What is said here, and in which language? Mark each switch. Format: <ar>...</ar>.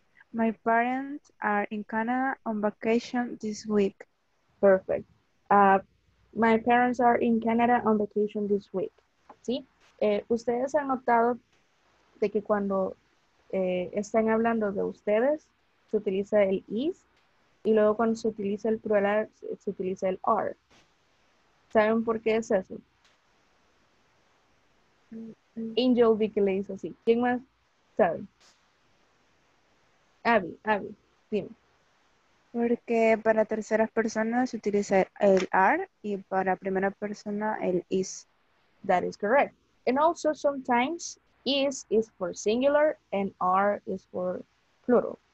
<en>My parents are in Canada on vacation this week. Perfect. My parents are in Canada on vacation this week.</en> <es>¿Sí? Ustedes han notado de que cuando están hablando de ustedes, se utiliza el is, y luego cuando se utiliza el plural, se utiliza el are. ¿Saben por qué es eso? Angel vi que le dice así. ¿Quién más sabe? Abby, dime. Porque para terceras personas se utiliza el are y para primera persona el is.</es> <en>That is correct. And also sometimes is for singular and are is for plural.</en>